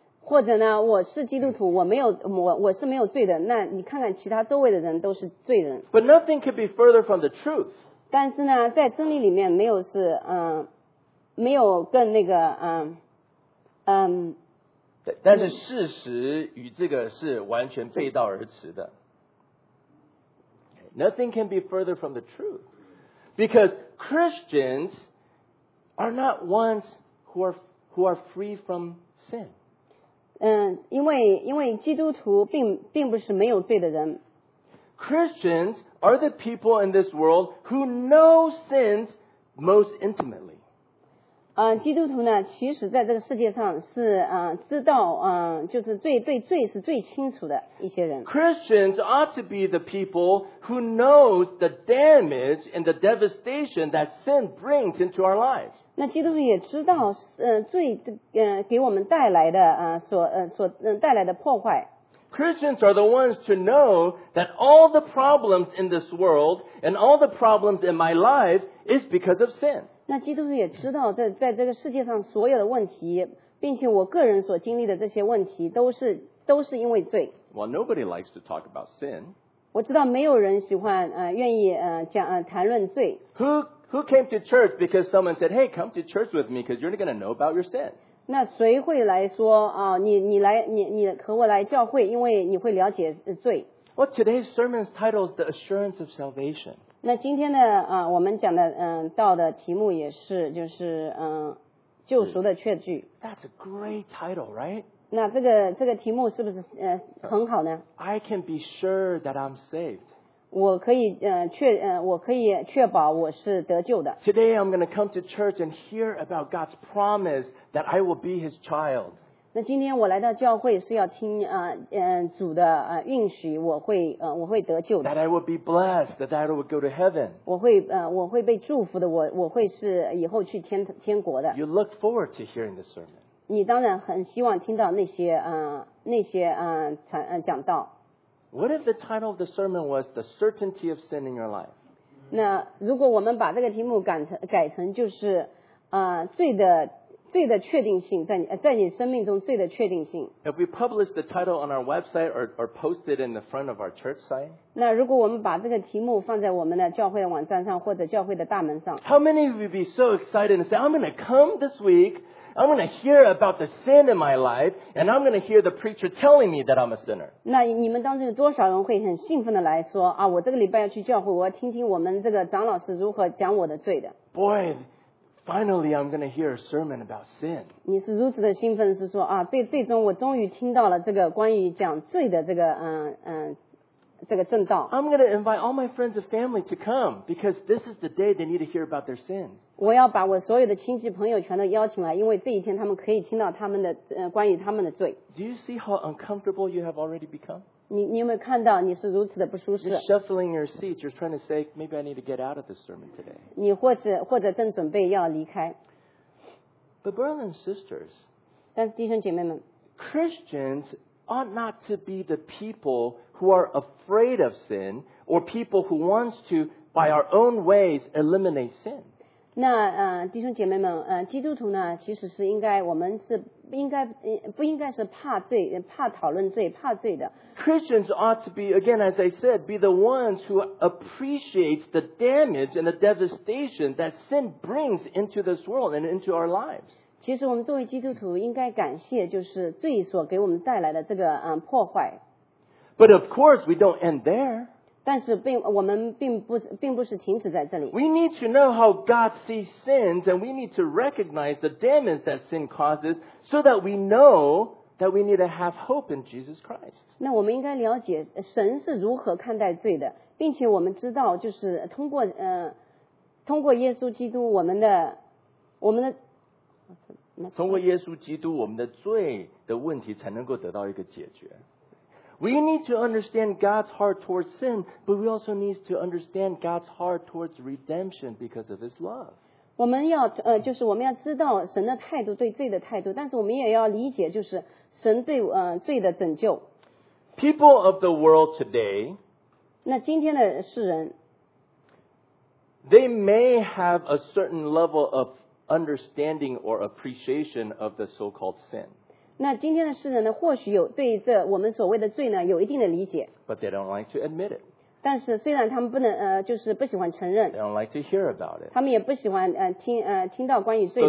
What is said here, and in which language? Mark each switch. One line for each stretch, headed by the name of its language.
Chinese: 或者呢，我是基督徒，我是没有罪的。那你看看其他周围的人都是罪人。
English: But nothing could be further from the truth.
Chinese: 但是呢，在真理里面没有是没有更那个但是事实与这个是完全背道而驰的。
English: Nothing can be further from the truth. Because Christians are not ones who are free from sin.
Chinese: 因为基督徒并不是没有罪的人。
English: Christians are the people in this world who know sins most intimately.
Chinese: 基督徒呢其实在这个世界上是知道就是对罪是最清楚的一些人。
English: Christians ought to be the people who knows the damage and the devastation that sin brings into our lives.
Chinese: 那基督徒也知道罪给我们带来的带来的破坏。
English: Christians are the ones to know that all the problems in this world and all the problems in my life is because of sin.
Chinese: 那基督徒也知道在这个世界上所有的问题并且我个人所经历的这些问题都是因为罪。
English: Well, nobody likes to talk about sin.
Chinese: 我知道没有人喜欢愿意讲谈论罪。
English: Who came to church because someone said, hey, come to church with me because you're going to know about your sin?
Chinese: 那谁会来说你和我来教会因为你会了解罪。
English: Well, today's sermon's title is The Assurance of Salvation.
Chinese: 那今天的我们讲的道的题目也是就是救赎的确据。
English: That's a great title, right?
Chinese: 那这个题目是不是很好呢
English: ?I can be sure that I'm saved.
Chinese: 我可以确保我是得救的。
English: Today I'm going to come to church and hear about God's promise that I will be his child.
Chinese: 那今天我来到教会是要听主的允许我会得救的。
English: That I will be blessed, that I will go to heaven.
Chinese: 我会被祝福的我会是以后去天国的。
English: You look forward to hearing the sermon.
Chinese: 你当然很希望听到讲道。
English: What if the title of the sermon was The Certainty of Sin in Your Life?
Chinese: 那如果我们把这个题目改成就是罪的确定性在你生命中罪的确定性。
English: If we publish the title on our website or post it in the front of our church site,
Chinese: 那如果我们把这个题目放在我们的教会的网站上或者教会的大门上。
English: How many of you be so excited and say, I'm going to come this week, I'm going to hear about the sin in my life, and I'm going to hear the preacher telling me that I'm a sinner?
Chinese: 那你们当中有多少人会很兴奋的来说我这个礼拜要去教会我要听听我们这个长老师如何讲我的罪的。
English: Boy,Finally, I'm going to hear a sermon about sin.
Chinese: 你是如此的兴奋，是说最终我终于听到了这个关于讲罪的这个正道。
English: I'm going to invite all my friends and family to come because this is the day they need to hear about their sin.
Chinese: 我要把我所有的亲戚朋友全都邀请来，因为这一天他们可以听到他们的关于他们的罪。
English: Do you see how uncomfortable you have already become?
Chinese: 你有没有看到你是如此的不舒适
English: You're shuffling your seat. You're trying to say, maybe I need to get out of this sermon today.
Chinese: 你或者正准备要离开。
English: But brothers and sisters,
Chinese: 但是弟兄姐妹们
English: Christians ought not to be the people who are afraid of sin or people who wants to, by our own ways, eliminate sin.
Chinese: 那弟兄姐妹们基督徒呢其实是应该我们是应该不应该是怕罪怕讨论罪怕罪的
English: Christians ought to be again as I said be the ones who appreciates the damage and the devastation that sin brings into this world and into our lives
Chinese: 其实我们作为基督徒应该感谢就是罪所给我们带来的这个破坏
English: But of course we don't end there
Chinese: 但是我们并不是停止在这里
English: We need to know how God sees sins and we need to recognize the damage that sin causesSo that we know that we need to have hope in Jesus Christ.
Chinese: 那我们应该了解神是如何看待罪的，并且我们知道，就是通过耶稣基督，我们的通过耶稣基督，我们的罪的问题才能够得到一个解决。
English: We need to understand God's heart towards sin, but we also need to understand God's heart towards redemption because of His love.
Chinese: 我们要就是我们要知道神的态度对罪的态度，但是我们也要理解就是神对罪的拯救。
English: People of the world today,
Chinese: 那今天的世人
English: ，they may have a certain level of understanding or appreciation of the so-called sin.
Chinese: 那今天的世人呢，或许有对这我们所谓的罪呢有一定的理解
English: ，but they don't like to admit it.
Chinese: 但是虽然他们不能就是不喜欢承认。
English: They don't like to hear about it.
Chinese: 他们也不喜欢听到关于罪的。